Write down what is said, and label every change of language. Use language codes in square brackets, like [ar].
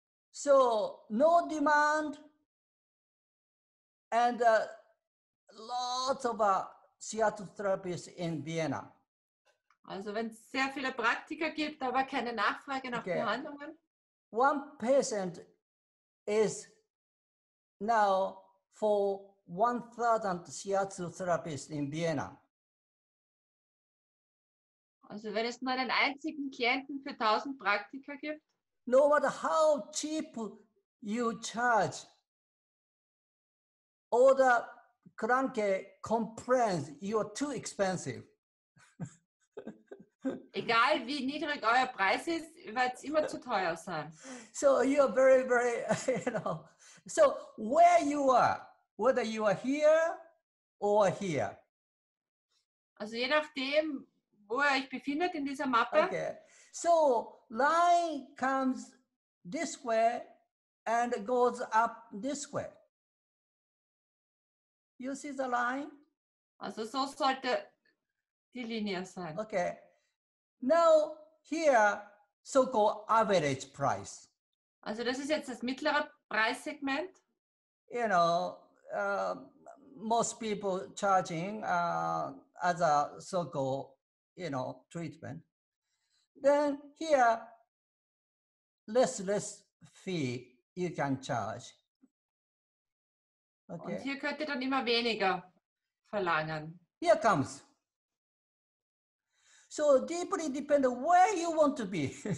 [en] So, no demand and lots of theater therapists in Vienna. [de] Also, wenn es sehr viele Praktiker gibt, aber keine Nachfrage nach okay. Behandlungen. [en] One patient is now for 1,000 shiatsu therapists in Vienna. [de] Also, wenn es nur einen einzigen Klienten für 1,000 Praktiker gibt. [en] No matter how cheap you charge, all the Kranke complains you are too expensive. [de] Egal wie niedrig euer Preis ist, wird es immer zu teuer sein. [en] So you are very, very, you know. So where you are, whether you are here or here. [de] Also je nachdem, wo ihr euch befindet in dieser Mappe. [en] Okay. So line comes this way and goes up this way. You see the line? [de] Also so sollte die Linie sein. [en] Okay. Now here, so-called average price. [de] Also das ist jetzt das mittlere Preissegment. [en] You know, most people charging as a so-called, you know, treatment. Then here, less fee you can charge. Okay. [de] Und hier könnt ihr dann immer weniger verlangen. [en] Here comes. So deeply depend on where you want to be.